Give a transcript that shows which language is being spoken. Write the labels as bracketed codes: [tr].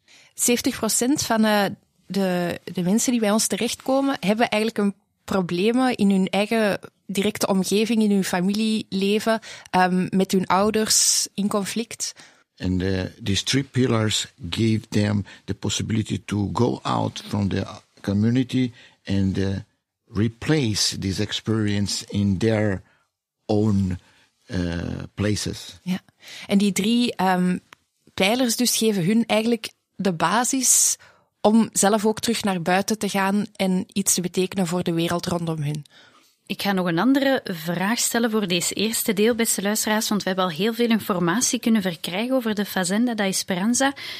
[nl] 70% van de mensen die bij ons terechtkomen hebben eigenlijk een probleem in hun eigen directe omgeving, in hun familieleven, met hun ouders in conflict. [en] And these three pillars gave them the possibility to go out from the community and replace this experience in their own places. [nl] Ja, en die drie pijlers dus geven hun eigenlijk de basis om zelf ook terug naar buiten te gaan en iets te betekenen voor de wereld rondom hun. Ik ga nog een andere vraag stellen voor deze eerste deel, beste luisteraars, want we hebben al heel veel informatie kunnen verkrijgen over de Fazenda da Esperanza.